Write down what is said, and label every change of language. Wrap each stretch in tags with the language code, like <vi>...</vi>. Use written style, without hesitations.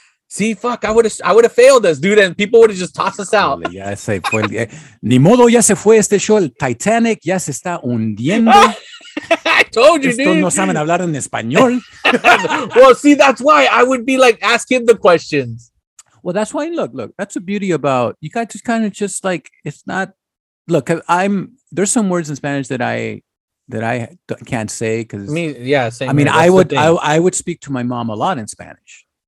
<en>See, fuck, I would have failed us, dude, and people would have just tossed us out.</en> <es>Ya se fue. Ni modo, ya se fue este show. El Titanic ya se está hundiendo. I told you, dude. No saben hablar en español.</es> <en>Well, see, that's why I would be like, ask him the questions. Well, that's why, look, that's the beauty about, you guys just kind of just like, it's not, look, there's some words in Spanish that I can't say because, I would speak to my mom a lot in Spanish.</en>